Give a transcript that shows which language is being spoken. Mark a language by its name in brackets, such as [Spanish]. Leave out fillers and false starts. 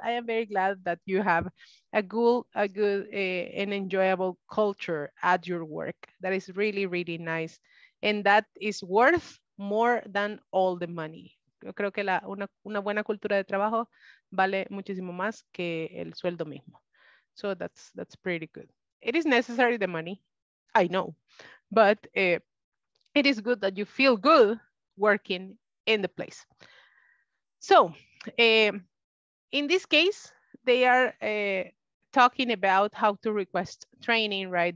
[English] I am very glad that you have a good and enjoyable culture at your work. That is really, really nice. And that is worth more than all the money. [Spanish] Yo creo que una buena cultura de trabajo vale muchísimo más que el sueldo mismo. [English] So that's pretty good. It is necessary, the money. I know. But it is good that you feel good working in the place. So in this case, they are talking about how to request training, right?